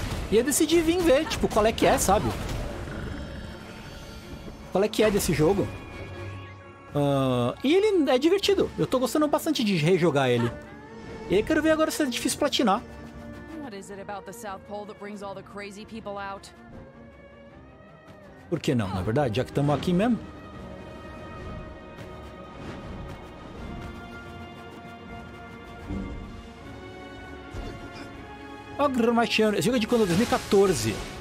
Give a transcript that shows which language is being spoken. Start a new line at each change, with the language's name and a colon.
Portuguese: E eu decidi vir ver, tipo, qual é que é, sabe? Qual é que é desse jogo? E ele é divertido. Eu tô gostando bastante de rejogar ele. E aí quero ver agora se é difícil platinar.
English: What is it about the South Pole that brings all the crazy people out?
Portuguese: Por que não, na verdade? Já que estamos aqui mesmo. Olha o Grammachiano, esse jogo é de quando? 2014.